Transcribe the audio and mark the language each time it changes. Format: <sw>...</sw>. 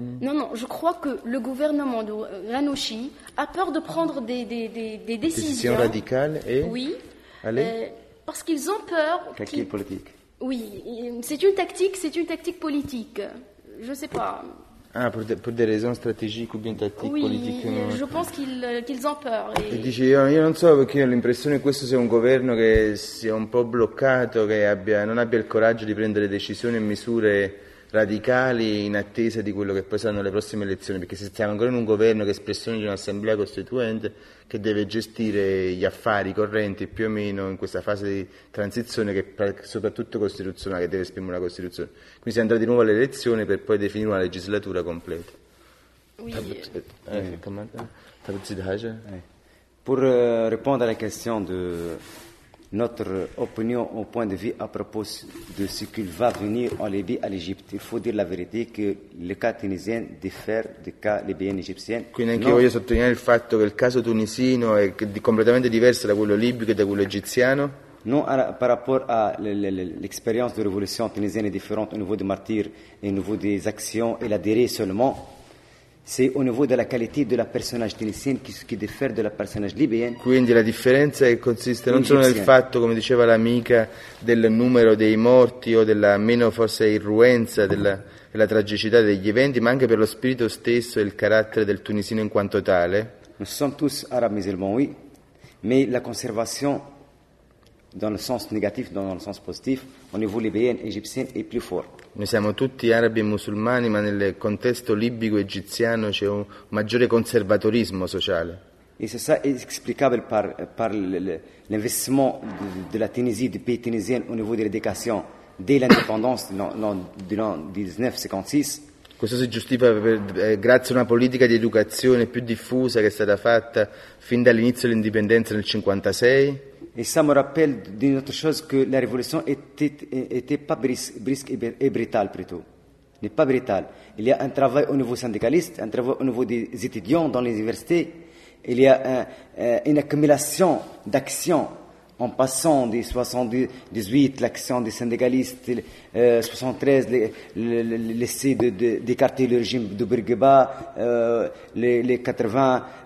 <fr>Non, je crois que le gouvernement de Ranouchi a peur de prendre des décisions radicales et... Oui. Allez. Parce qu'ils ont peur. Tactique politique. Oui, c'est une tactique politique. Je ne sais pas. Ah, pour des raisons stratégiques ou bien tactiques oui, politiques. Oui, je pense qu'ils ont peur.</fr> <it>Et dice, io non so perché ho l'impressione che questo sia un governo che sia un po' bloccato, che non abbia il coraggio di prendere decisioni e misure radicali in attesa di quello che poi saranno le prossime elezioni, perché se siamo ancora in un governo che è espressione di un'assemblea costituente che deve gestire gli affari correnti più o meno in questa fase di transizione che è soprattutto costituzionale, che deve esprimere una costituzione, quindi si andrà di nuovo alle elezioni per poi definire una legislatura completa.</it> <fr>Oui. Pour répondre à la question de notre opinion au point de vue à propos de ce qu'il va venir en Libye à l'Égypte. Il faut dire la vérité que le cas tunisien diffère du cas libyen égyptien.</fr> <it>Quindi anche io voglio sottolineare il fatto che il caso tunisino è completamente diverso da quello libico e da quello egiziano.</it> <fr>Non, par rapport à l'expérience de révolution tunisienne est différente au niveau des martyrs et au niveau des actions et la durée seulement. C'est au niveau de la qualité de la personnage tunisienne qui diffère de la personnage libyenne.</fr> <it>Quindi la differenza consiste non solo nel fatto, come diceva l'amica, del numero dei morti o della meno forse irruenza della tragicità degli eventi, ma anche per lo spirito stesso e il carattere del tunisino in quanto tale.</it> <fr>Nous sommes tous arabes musulmans, oui, mais la conservation dans le sens négatif, dans le sens positif, au niveau libyen égyptien est plus fort.</fr> <it>Noi siamo tutti arabi e musulmani, ma nel contesto libico egiziano c'è un maggiore conservatorismo sociale. E c'è</it> <fr>ça est explicable par l'investissement de la Tunisie, du pays tunisien au niveau de l'éducation dès l'indépendance de l'an 1956.</fr> <it>Questo si giustifica grazie a una politica di educazione più diffusa che è stata fatta fin dall'inizio dell'indipendenza nel 1956.</it> <fr>Et ça me rappelle d'une autre chose que la révolution était pas brisque et brutale plutôt. N'est pas brutale. Il y a un travail au niveau syndicaliste, un travail au niveau des étudiants dans les universités. Il y a une accumulation d'actions en passant des 78, l'action des syndicalistes, 73, l'essai d'écarter le régime de Bourguiba, les 80.</fr>